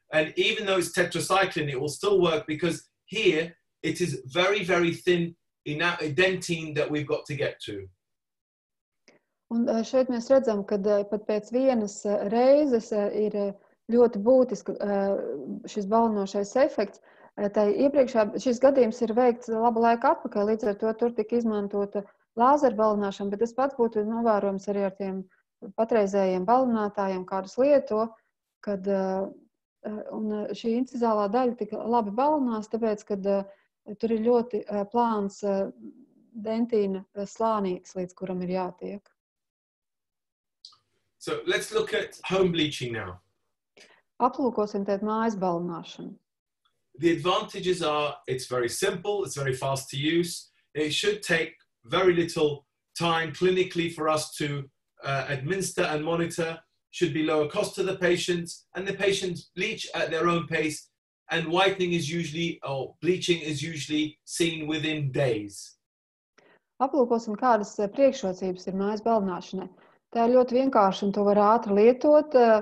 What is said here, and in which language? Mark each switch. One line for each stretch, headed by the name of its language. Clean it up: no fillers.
English: And even though it's tetracycline, it will still work because here, it is very, very thin dentine that we've got to get to.
Latvian: Un šeit mēs redzam, kad pat pēc vienas reizes ir ļoti būtiski šis balinošais efekts. Tai iepriekšā šis gadījums ir veikts labu laiku atpakaļ, līdz ar to tur tika izmantota lāzera balināšana, bet tas pats būtu novērojams arī ar tiem patreizējiem balinātājiem, kādus lieto, kad un šī incizālā daļa tika labi balinās, tāpēc, kad tur ir ļoti plāns dentīna slānīks, līdz kuram ir jātiek.
English: So let's look at home bleaching now.
Latvian: Aplūkosim tēt mājas balināšanu.
English: The advantages are it's very simple, it's very fast to use. It should take very little time clinically for us to administer and monitor. Should be lower cost to the patients, and the patients bleach at their own pace. And whitening is usually, or bleaching is usually seen within days.
Latvian: Aplūkosim, kādas priekšrocības ir mājas balināšanai. Tā ir ļoti vienkārši, un to var ātri lietot.